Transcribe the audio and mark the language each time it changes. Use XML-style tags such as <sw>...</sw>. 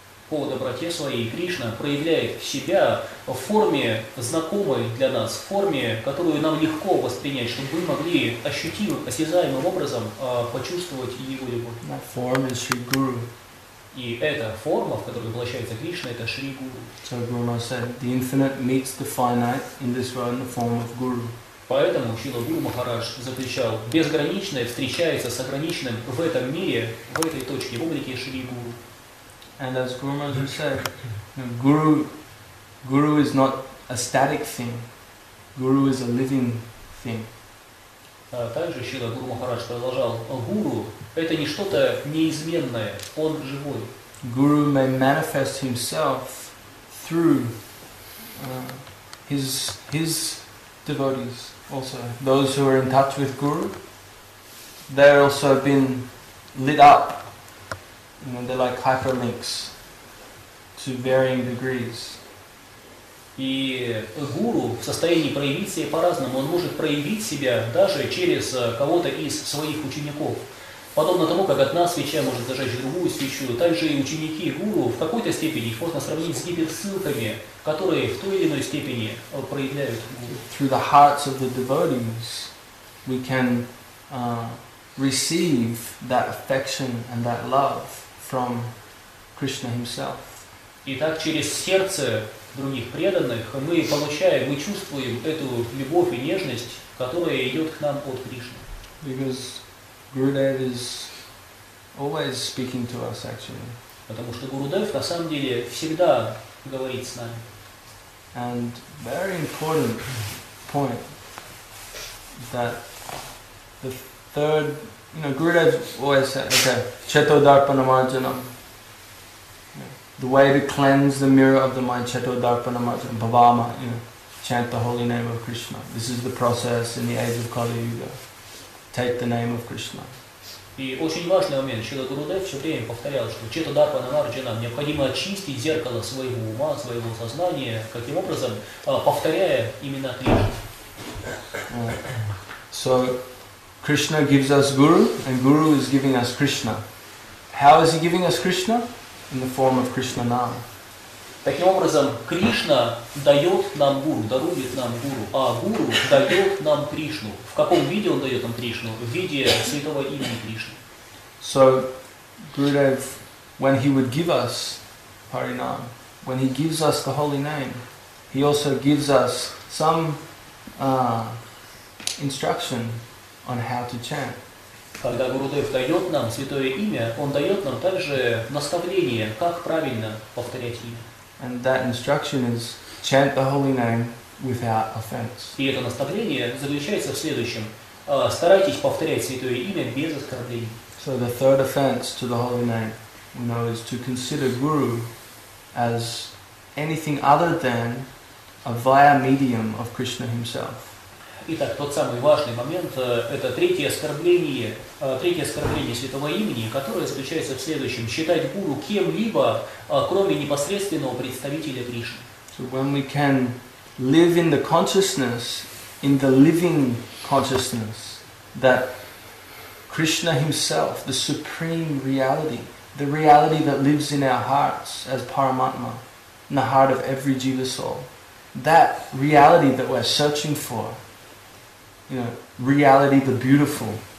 <ru>По доброте своей Кришна проявляет себя в форме знакомой для нас, в форме, которую нам легко воспринять, чтобы мы могли ощутимым, осязаемым образом почувствовать его любовь.</ru> <en>That form is Sri Guru.</en> <ru>И эта форма, в которой воплощается Кришна, это Шри Гуру.</ru> <en>So Guru Maharaj said, the infinite meets the finite in this world in the form of Guru.</en> <ru>Поэтому Шрила Гуру Махарадж заключал, безграничное встречается с ограниченным в этом мире, в этой точке, в облике Шри Гуру.</ru> <en>And as Guru Maharaj said, Guru is not a static thing. Guru is a living thing.</en> <ru>Также Шрила Гуру Махарадж продолжал, Гуру – это не что-то неизменное, он живой.</ru> <en>Guru may manifest himself through his devotees also. Those who are in touch with Guru, they're also been lit up. You know, they're like hyperlinks to varying degrees.</en> <ru>И гуру в состоянии проявиться по-разному. Он может проявить себя даже через кого-то из своих учеников. Подобно тому, как одна свеча может зажечь другую свечу, также и ученики гуру в какой-то степени их можно сравнить с гиперссылками, которые в той или иной степени проявляют гуру.</ru> <en>Through the hearts of the devotees, we can receive that affection and that love from Krishna himself.</en> <ru>Итак, через сердце других преданных мы получаем, мы чувствуем эту любовь и нежность, которая идет к нам от Кришны.</ru> <en>Because Gurudev is always speaking to us, actually.</en> <ru>Потому что Гурудев на самом деле всегда говорит с нами.</ru> <en>And very important point that the third, you know, Gurudev always said, okay, Chetodarpanamarjanam. The way to cleanse the mirror of the mind, Chetodarpanamarjanam, Bhavama, you know, chant the holy name of Krishna. This is the process in the age of Kali Yuga. Take the name of Krishna.</en> <ru>И очень важный момент, Шрила Гурудев все время повторял, что Четадарпанамарджанам необходимо очистить зеркало своего ума, своего сознания, каким образом, повторяя именно Кришну.</ru> <en>So, Krishna gives us Guru, and Guru is giving us Krishna. How is he giving us Krishna? In the form of Krishna Nama.</en> <ru>Таким образом, Кришна дает нам Гуру, дарует нам Гуру, а Гуру дает нам Кришну. В каком виде он дает нам Кришну? В виде святого имени Кришны.</ru> <en>So, Gurudev, when he would give us Harinam, when he gives us the holy name, he also gives us some instruction on how to chant.</en> <ru>Когда Гурудев дает нам святое имя, он дает нам также наставление, как правильно повторять имя.</ru> <en>And that instruction is chant the holy name without offense.</en> <ru>И это наставление заключается в следующем: старайтесь повторять святое имя без оскорблений.</ru> <en>So the third offense to the holy name, you know, is to consider Guru as anything other than a via medium of Krishna himself.</en> <ru>Итак, тот самый важный момент – это третье оскорбление святого имени, которое заключается в следующем – считать Гуру кем-либо, кроме непосредственного представителя Кришны.</ru> <en>So when we can live in the consciousness, in the living consciousness, that Krishna himself, the supreme reality, the reality that lives in our hearts as Paramatma, in the heart of every jiva soul, that reality that we're searching for, you know, reality, the beautiful.</en>